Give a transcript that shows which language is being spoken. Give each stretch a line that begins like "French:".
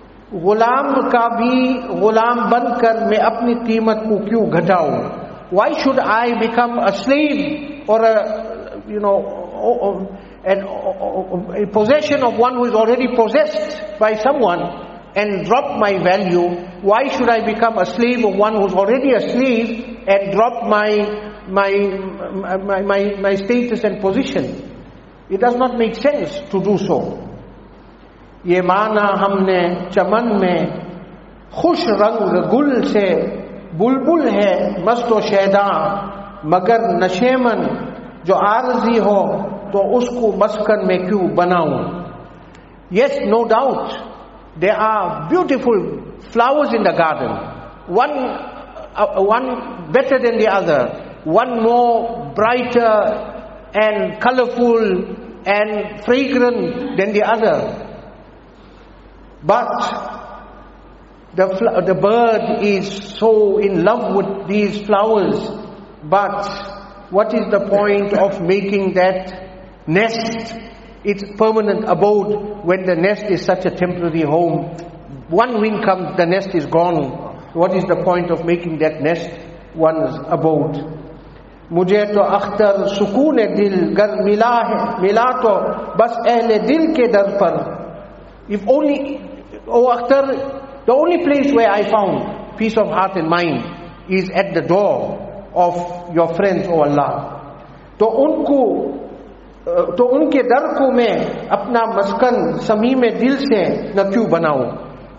Urdu: غلام کا بھی غلام بن کر میں اپنی قیمت کو کیوں گھٹاؤں؟
English: Why should I become a slave or a possession of one who is already possessed by someone and drop my value? Why should I become a slave of one who is already a slave and drop my status and position? It does not make sense to do so.
Urdu: یہ مانا ہم نے چمن میں خوش رنگ گل سے بلبل ہے مست و شیداں مگر نشیمن جو عارضی ہو تو اس کو مسکن میں کیوں بناؤں.
English: Yes, no doubt there are beautiful flowers in the garden, one better than the other, one more brighter and colorful and fragrant than the other. But the bird is so in love with these flowers, but what is the point of making that nest its permanent abode when the nest is such a temporary home? One wing comes, the nest is gone. What is the point of making that nest one's abode?
Urdu: مجھے تو اختر سکون دل گر ملا ہے ملا تو بس اہل دل کے در پر.
English: If only, O Akhtar, the only place where I found peace of heart and mind is at the door of your friends, O Allah.
Urdu: To unke dar ko main apna maskan samim-e-dil se na kyun banaun?